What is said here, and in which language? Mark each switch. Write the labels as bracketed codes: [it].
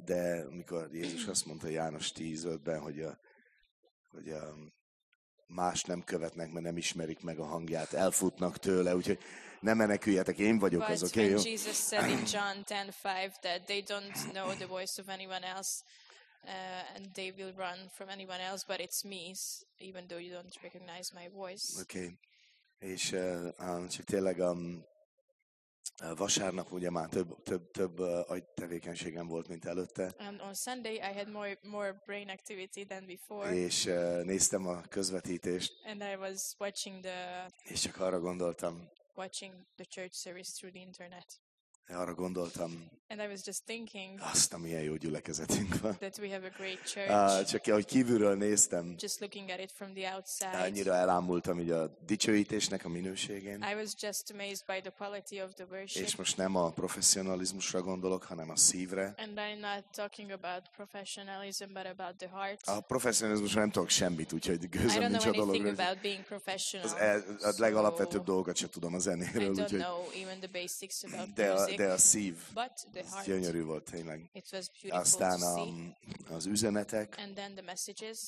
[hu] De amikor Jézus azt mondta János 10:5-ben, hogy más nem követnek, mert nem ismerik meg a hangját, elfutnak tőle, úgyhogy ne meneküljetek, én vagyok az, oké? [en] But when Jesus said in John 10:5 that they don't know the voice of anyone else and they will run from anyone else, but it's me, even though you don't recognize my voice. [hu] Oké. És csak tényleg vasárnap ugye már több agytevékenységem volt, mint előtte. [en] And on Sunday I had more brain activity than before. [hu] És néztem a közvetítést. [en] And I was watching the. [hu] És csak arra gondoltam. [en] Watching the church service through the internet. [hu] Arra gondoltam. [en] And I was just thinking. [hu] Azt, milyen jó gyülekezetünk van. [en] That we have a great church. [hu] Csak ahogy kívülről néztem. [en] Just looking at it from the outside. [hu] Annyira elámultam így a dicsőítésnek a minőségén. [en] I was just amazed by the quality of the worship. [hu] És most nem a professzionalizmusra gondolok, hanem a szívre. [en] And I'm not talking about professionalism, but about the heart. [hu] A professzionalizmusra nem tudok semmit, úgyhogy gőzöm nincs a dologra. [en] I don't know anything about being professional. [hu] A legalapvetőbb dolgokat sem tudom a zenéről, [en] I don't [hu] úgyhogy. [en] Know even the basics about [hu] de [en] music. [hu] De a szív, [en] but the heart, [hu] gyönyörű volt tényleg. [en] It was beautiful. [hu] Aztán az üzenetek, [en] and then the messages,